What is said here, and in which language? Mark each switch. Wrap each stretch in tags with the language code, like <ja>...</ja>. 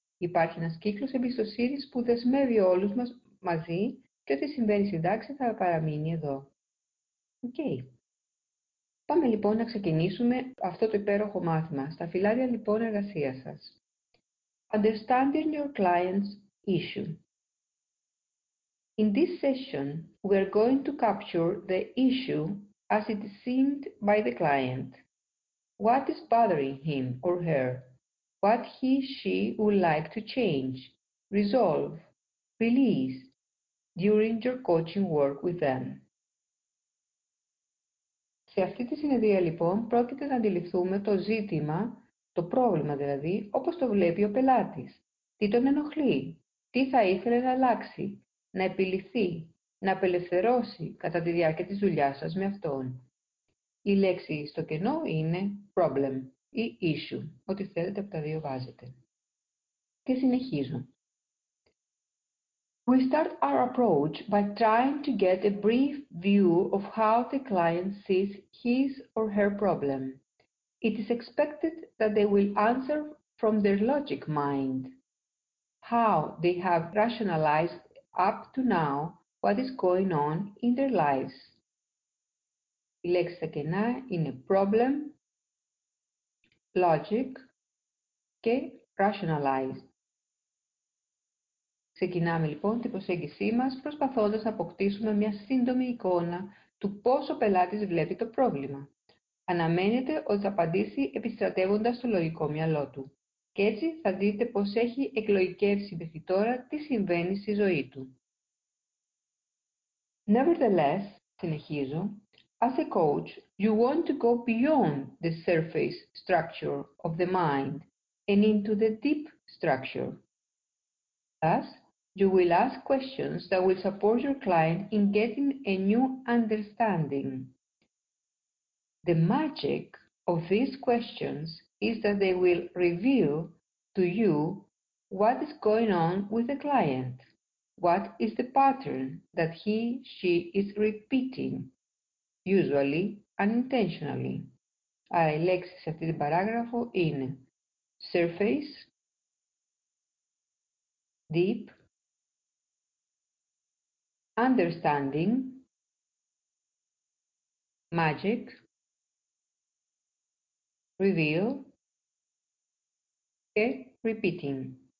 <el>Υπάρχει ένας κύκλος εμπιστοσύνης που δεσμεύει όλους μας μαζί και ό,τι συμβαίνει στην τάξη θα παραμείνει εδώ. Okay. Πάμε λοιπόν να ξεκινήσουμε αυτό το υπέροχο μάθημα. Στα φυλάδια λοιπόν εργασίας σας.</el> <en>Understanding your client's issue. In this session, we are going to capture the issue as it is seen by the client. What is bothering him or her? What he, she would like to change, resolve, release during your coaching work with them.</en> <el>Σε αυτή τη συνεδρία, λοιπόν, πρόκειται να αντιληφθούμε το ζήτημα, το πρόβλημα δηλαδή, όπως το βλέπει ο πελάτης. Τι τον ενοχλεί, τι θα ήθελε να αλλάξει, να επιληθεί, να απελευθερώσει κατά τη διάρκεια της δουλειάς σας με αυτόν. Η λέξη στο κενό είναι problem ή issue, ό,τι θέλετε από τα δύο βάζετε. Και συνεχίζω.</el> <en>We start our approach by trying to get a brief view of how the client sees his or her problem. It is expected that they will answer from their logic mind how they have rationalized up to now what is going on in their lives.</en> <el>Η λέξη κενά είναι problem, logic και rationalized. Ξεκινάμε λοιπόν την προσέγγιση μας προσπαθώντας να αποκτήσουμε μια σύντομη εικόνα του πώς ο πελάτης βλέπει το πρόβλημα. Αναμένεται ότι θα απαντήσει επιστρατεύοντας το λογικό μυαλό του. Και έτσι θα δείτε πως έχει εκλογικεύσει μέχρι τώρα τι συμβαίνει στη ζωή του.</el> <en>Nevertheless,</en> <el>συνεχίζω,</el> <en>as a coach, you want to go beyond the surface structure of the mind and into the deep structure. Thus, you will ask questions that will support your client in getting a new understanding. The magic of these questions is that they will reveal to you what is going on with the client. What is the pattern that he, she is repeating, usually unintentionally.</en> <el>Άρα η λέξη σε αυτή την παράγραφο είναι surface, deep, understanding, magic, reveal και repeating.</el>